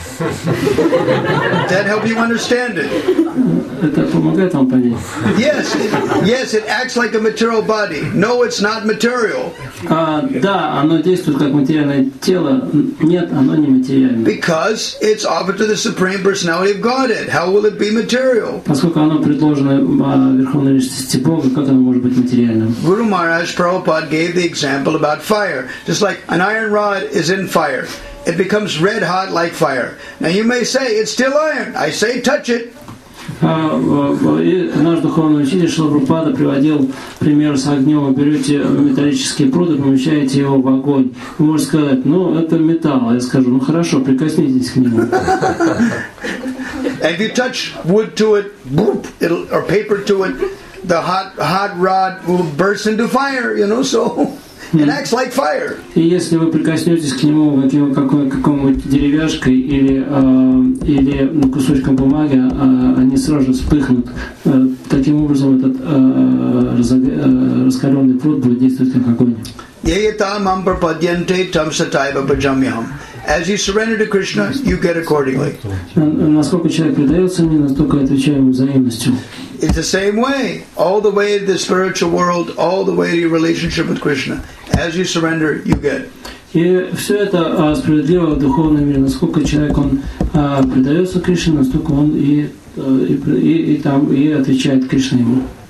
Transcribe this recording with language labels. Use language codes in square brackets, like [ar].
[en] That help you understand it? [ru] Это помогает вам понять. [en] Yes, yes, it acts like a material body. No, it's not material. [ru] Да, оно действует как материальное тело. Нет, оно не материальное. [en] Because it's offered to the Supreme Personality of Godhead. How will it be material? [ru] Поскольку оно предложено Верховной Личности Бога, как оно может быть материальным? [en] Guru Maharaj Prabhupada gave the example about fire. Just like an iron rod is in fire. It becomes red hot like fire. Now you may say, it's still iron. I say, touch it. [ru] Наш духовный учитель Шрила Прабхупада приводил пример с огнем. Вы берете металлический пруд и помещаете его в огонь. Вы можете сказать, ну, это металл. Я скажу, ну, хорошо, прикоснитесь к нему. [en] And if you touch wood to it, boop, it'll, or paper to it, the hot rod will burst into fire, you know, so... It acts like fire. [ru] И если вы прикоснетесь к нему какому-нибудь деревяшкой или кусочком бумаги, они сразу же вспыхнут. Таким образом этот раскаленный пруд будет действовать как огонь. [sa] Yayata mam prapadyante tam sataiva bhajamyaham. [en] As you surrender to Krishna, you get accordingly. [ru] Насколько человек предается мне, настолько отвечаю ему взаимностью. [en] It's the same way, all the way to the spiritual world, all the way to your relationship with Krishna. As you surrender, you get. [ru] И все это справедливо в духовном мире. Насколько человек он предается Кришне, настолько он и там и отвечает Кришне ему.